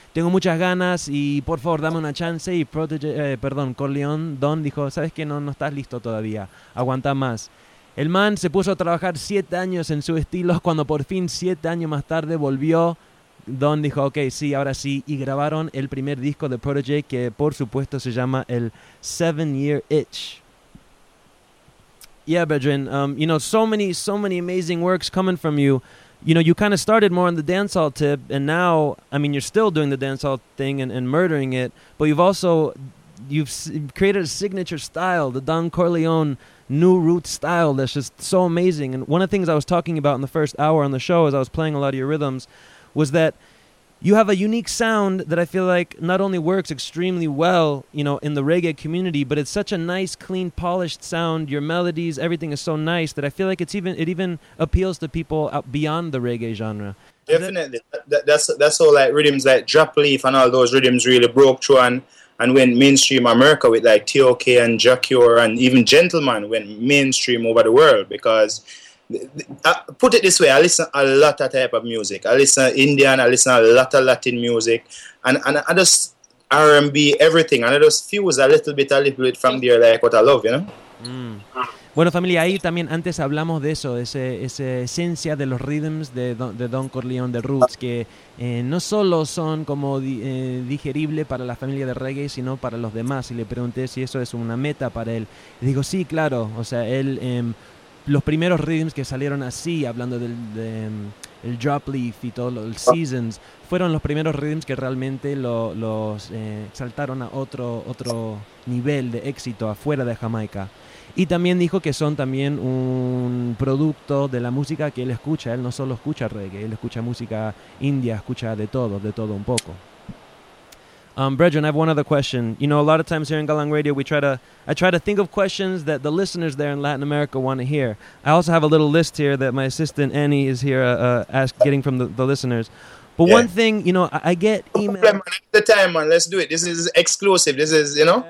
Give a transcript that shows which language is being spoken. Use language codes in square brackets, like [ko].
[es] Tengo muchas ganas y por favor dame una chance. Y Corleone Don dijo, sabes que no estás listo todavía, aguanta más. El man se puso a trabajar 7 años en su estilo. Cuando por fin 7 años más tarde volvió, Don dijo, ok, sí, ahora sí. Y grabaron el primer disco de Protégé, que por supuesto se llama el 7 Year Itch. [en] Yeah, Brethren, you know, so many amazing works coming from you. You know, you kind of started more on the dancehall tip, and now, I mean, you're still doing the dancehall thing and murdering it, but you've created a signature style, the Don Corleone New Root style, that's just so amazing. And one of the things I was talking about in the first hour on the show as I was playing a lot of your rhythms was that you have a unique sound that I feel like not only works extremely well, you know, in the reggae community, but it's such a nice, clean, polished sound. Your melodies, everything is so nice that I feel like it even appeals to people out beyond the reggae genre. Definitely. That's all, like, rhythms like Drop Leaf and all those rhythms really broke through and went mainstream America with, like, T.O.K. and Jacure, and even Gentleman went mainstream over the world. Because, put it this way, I listen a lot of type of music. I listen Indian, I listen a lot of Latin music, and I just R&B, everything, and it just fuse a little bit from there, like what I love, you know. [es] Bueno, familia, ahí también antes hablamos de eso, de esa esencia de los rhythms de Don Corleone, de Roots, que no solo son como digerible para la familia de reggae, sino para los demás. Y le pregunté si eso es una meta para él. Y digo, sí, claro. O sea, él, los primeros rhythms que salieron así, hablando del el drop leaf y todo, el seasons, fueron los primeros rhythms que realmente los saltaron a otro nivel de éxito afuera de Jamaica. Y también dijo que son también un producto de la música que él escucha. Él no solo escucha reggae, él escucha música india, escucha de todo un poco. [en] Brethren, I have one other question. You know, a lot of times here in Galang Radio, I try to think of questions that the listeners there in Latin America want to hear. I also have a little list here that my assistant Annie is here getting from the listeners. But yeah. One thing, you know, I get emails. No problem, man. The time, man. Let's do it. This is exclusive. This is, you know?